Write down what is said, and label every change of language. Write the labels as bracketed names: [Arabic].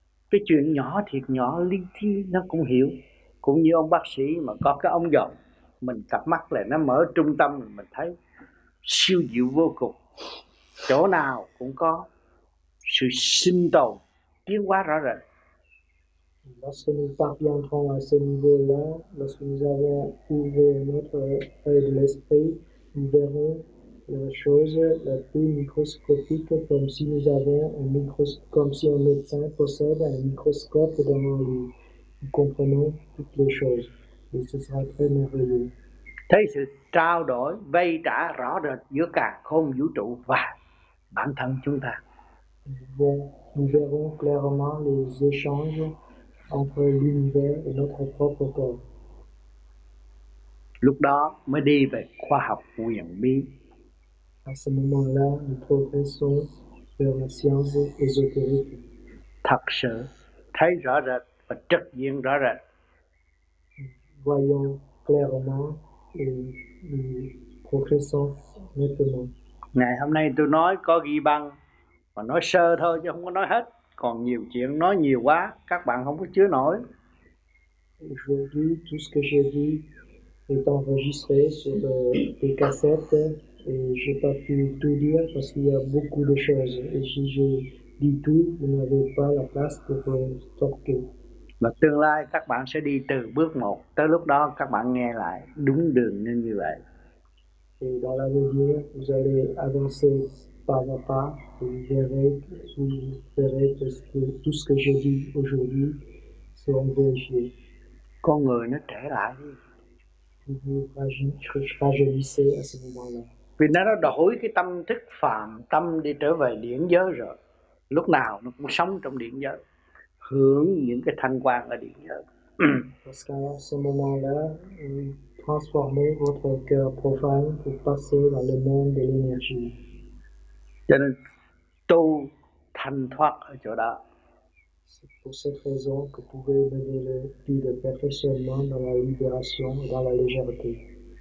[Vietnamese] Cái chuyện nhỏ thiệt nhỏ, li ti nó cũng hiểu. Cũng như ông bác sĩ mà có cái ống dòm, mình cặp mắt lại nó mở trung tâm, mình thấy siêu diệu vô cùng. Chỗ nào cũng có sự sinh tồn tiến hóa rõ rệt. [French] Lorsque nous parviendrons à ce niveau-là, lorsque nous avons ouvert notre œil de l'esprit, nous verrons la chose la plus microscopique, comme si nous avions comme si un médecin possède un microscope devant lui. Nous comprenons toutes les choses et ce sera très merveilleux. [Vietnamese] Thấy sự trao đổi, vay trả rõ rệt giữa cả không vũ trụ và bản thân chúng ta. [French] Nous verrons clairement les échanges entre l'univers et notre propre corps. [Vietnamese] Lúc đó mới đi về khoa học quyền bí. [French] À ce moment-là, nous progressons vers la science ésotérique. [Vietnamese] Thật sự, thấy rõ rệt và trực diện rõ rệt. [French] Voyons clairement et nous progressons nettement. [Vietnamese] Ngày hôm nay tôi nói có ghi băng. Mà nói sơ thôi chứ không có nói hết. Còn nhiều chuyện nói nhiều quá các bạn không có chứa nổi. [French] Aujourd'hui, tout ce que j'ai dit est enregistré sur des cassettes et je n'ai pas pu tout dire parce qu'il y a beaucoup de choses. Et si je dis tout, vous n'avez pas la place pour stocker. [Vietnamese] Và tương lai các bạn sẽ đi từ bước một tới lúc đó các bạn nghe lại đúng đường nên như vậy. [French] Et dans l'avenir, vous allez avancer pas à pas et vous verrez tout ce que j'ai dit aujourd'hui sur un vérifié. [Vietnamese] Con người nó trở lại đi. [French] Vous rajeunissez à ce moment-là. [Vietnamese] Vì nó đổi cái tâm thức phàm tâm đi trở về điển giới rồi. Lúc nào nó cũng sống trong điển giới. Hướng những cái thanh quang ở điện giới. [French] Parce qu'à ce moment-là, transformer votre cœur profane pour passer dans le monde de l'énergie. [Vietnamese] Cho nên tu thanh thoát ở chỗ đó. [French] C'est pour cette raison que vous pouvez mener le plus de perfectionnement dans la libération et dans la légèreté.